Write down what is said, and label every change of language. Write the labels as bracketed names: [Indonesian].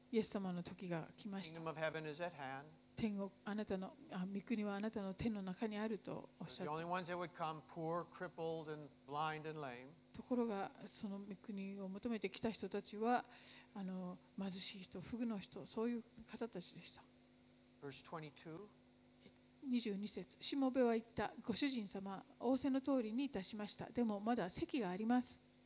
[Japanese] イエス様の時が来ました。 [English] Kingdom of heaven is at hand. [Japanese] 天国、あなたの、御国はあなたの手の中にあるとおっしゃった。 [English] The only ones that would come, poor, crippled, and blind and lame. [Japanese] ところが、その御国を求めて来た人たちは、あの貧しい人、不具の人、そういう方たちでした。 [English] Verse 22. [Japanese] 22節、しもべは言った。ご主人様、仰せの通りにいたしました。でもまだ席があります。